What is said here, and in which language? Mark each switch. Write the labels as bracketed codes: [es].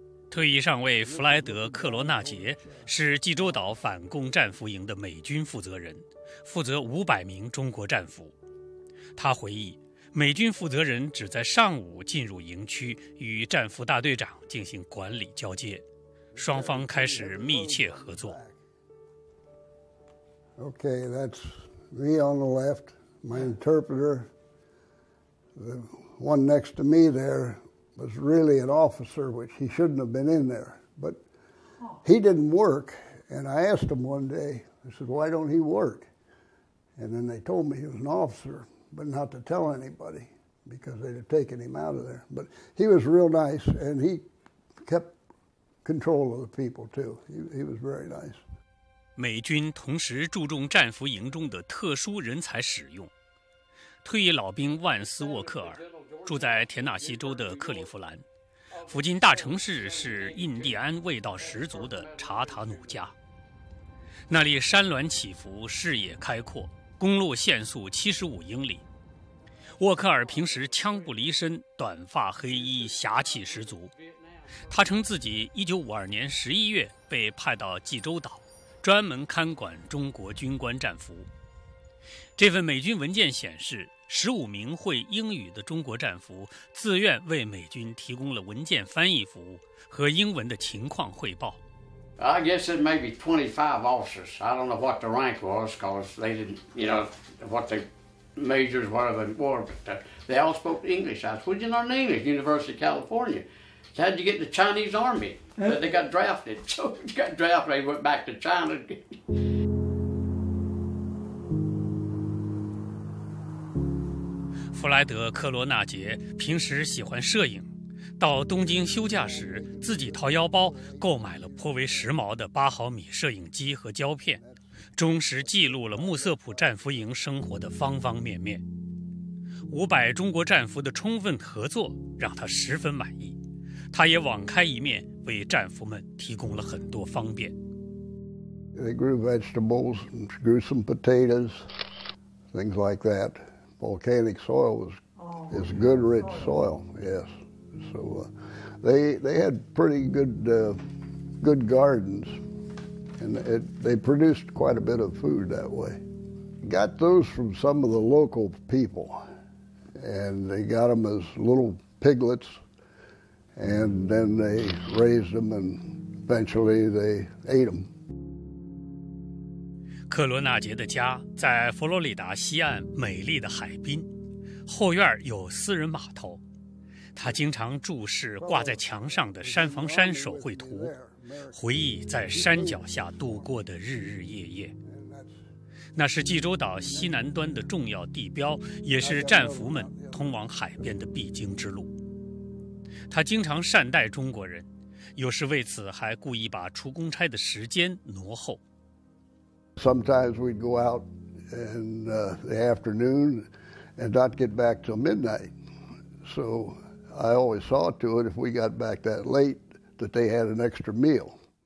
[zh] 退役上尉弗莱德·克罗纳杰是济州岛反共战俘营的美军负责人，负责500名中国战俘。他回忆，美军负责人只在上午进入营区与战俘大队长进行管理交接，双方开始密切合作。 [en] Okay, that's me on the left, my interpreter. The one next to me there was really an officer, which he shouldn't have been in there. But he didn't work, and I asked him one day, I said, why don't he work? And then they told me he was an officer. But not to tell anybody because they'd have taken him out of there. But he was real nice and he kept control of the people too. He was very nice. [zh] 美军同时注重战俘营中的特殊人才使用。退役老兵万斯·沃克尔住在田纳西州的克利夫兰，附近大城市是印第安味道十足的查塔努加。那里山峦起伏，视野开阔。公路限速75英里，沃克尔平时枪不离身，短发黑衣，侠气十足。他称自己1952年11月被派到济州岛，专门看管中国军官战俘。这份美军文件显示，15名会英语的中国战俘自愿为美军提供了文件翻译服务和英文的情况汇报。 [en] I guess it may be 25 officers. I don't know what the rank was because they didn't, you know, what the majors, whatever it was, but they all spoke English. I said, what'd you learn English? University of California. So how'd you get in the Chinese Army? They got drafted. So they got drafted, they went back to China. [zh] 弗莱德·克罗纳杰平时喜欢摄影。到东京休假时，自己掏腰包购买了颇为时髦的8毫米摄影机和胶片，忠实记录了穆瑟普战俘营生活的方方面面。 500中国战俘的充分合作让他十分满意，他也网开一面，为战俘们提供了很多方便。 [en] They grew vegetables, grew some potatoes, things like that. Volcanic soil is good, rich soil. Yes, so they had pretty good gardens, and they produced quite a bit of food that way. Got those from some of the local people, and they got them as little piglets, and then they raised them, and eventually they ate them. [zh] 克罗纳杰的家在佛罗里达西岸美丽的海滨，后院有私人码头。他经常注视挂在墙上的山房山手绘图，回忆在山脚下度过的日日夜夜。那是济州岛西南端的重要地标，也是战俘们通往海边的必经之路。他经常善待中国人，有时为此还故意把出公差的时间挪后。 [en] Sometimes we'd go out in the afternoon and not get back till midnight. So I always saw to it if we got back that late that they had an extra meal.